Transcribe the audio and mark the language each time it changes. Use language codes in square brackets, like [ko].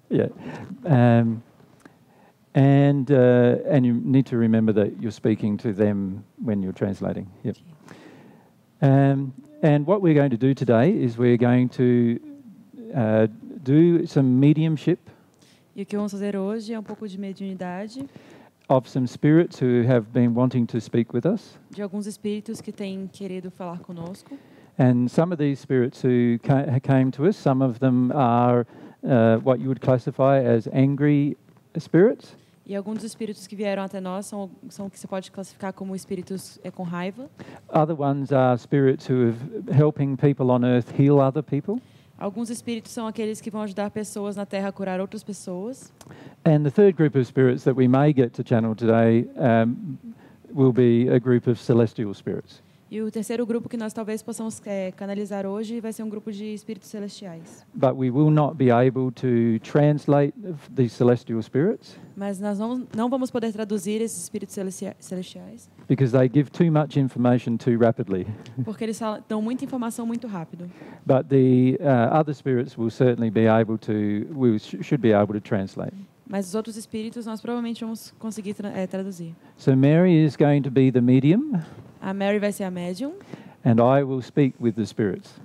[en] Yeah. And you need to remember that you're speaking to them when you're translating. Yep. Okay. And what we're going to do today is we're going to do some mediumship. [pt] E o que vamos fazer hoje é um pouco de mediunidade. [en] Of some spirits who have been wanting to speak with us. [pt] De alguns espíritos que têm querido falar conosco. [en] And some of these spirits who came to us, some of them are what you would classify as angry spirits. [pt] E alguns espíritos que vieram até nós são que você pode classificar como espíritos com raiva. [en] Other ones are spirits who are helping people on earth heal other people. [pt] Alguns espíritos são aqueles que vão ajudar pessoas na Terra a curar outras pessoas. [en] And the third group of spirits that we may get to channel today will be a group of celestial spirits. [pt] E o terceiro grupo que nós talvez possamos canalizar hoje vai ser um grupo de espíritos celestiais. [en] But we will not be able to translate these celestial spirits. [pt] Mas nós não vamos poder traduzir esses espíritos celestiais. [en] Because they give too much information too rapidly. [pt] Porque eles dão muita informação muito rápido. [en] But the other spirits will certainly be able to, we should be able to translate. [pt] Mas os outros espíritos nós provavelmente vamos conseguir traduzir. [en] So Mary is going to be the medium. [pt] A Mary vai ser a médium. [en] And I will speak with the spirits.